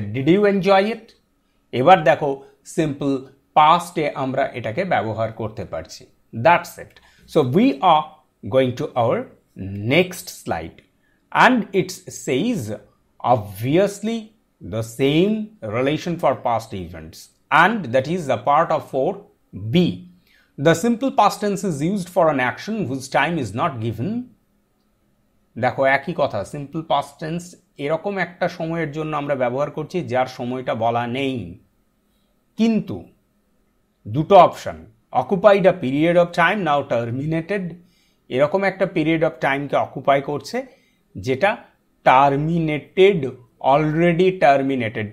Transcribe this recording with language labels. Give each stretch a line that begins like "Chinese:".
English: Did you enjoy it?
Bangla: এবার দেখো, simple পাস্টে আমরা এটাকে ব্যবহার করতে পারছি।
English: That's it. So we are going to our next slide, and it's says obviously the same relation for past events, and that is the part of 4B. The simple past tense is used for an action whose time is not given.
Bangla: দেখো, একই কথা, simple past tense এরকম একটা সময়ের জন্য আমরা ব্যবহার করছি যার সময়টা বলা নেই। কিন্তু দুটো option,
English: occupied a period of time, now terminated,
Bangla: এরকম একটা পিরিয়ড অফ টাইমকে অকুপাই করছে যেটা টার্মিনেটেড, অলরেডি টার্মিনেটেড।